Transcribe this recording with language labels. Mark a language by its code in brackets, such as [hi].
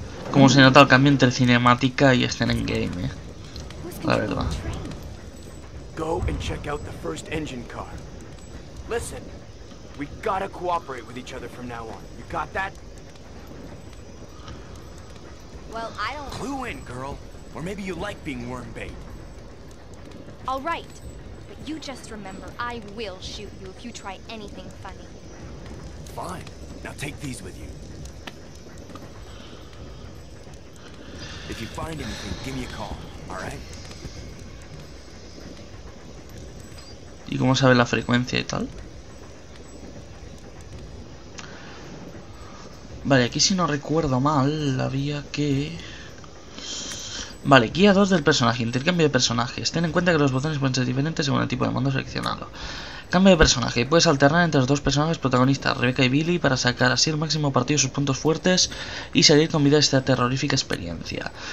[es] Como se nota el cambio entre cinemática y escena en game, la verdad. [en] Go and check out the first engine car. Listen, we gotta cooperate with each other from now on. You got that? Well, I don't... Clue in, girl. Or maybe you like being worm bait. All right. But you just remember, I will shoot you if you try anything funny. Fine. Now take these with you. If you find anything, give me a call, all right? [es] ¿Y cómo sabe la frecuencia y tal? Vale, aquí si no recuerdo mal, había que... Vale, guía 2 del personaje, intercambio de personajes. Ten en cuenta que los botones pueden ser diferentes según el tipo de mando seleccionado. Cambio de personaje, puedes alternar entre los dos personajes protagonistas, Rebecca y Billy, para sacar así el máximo partido de sus puntos fuertes y salir con vida de esta terrorífica experiencia.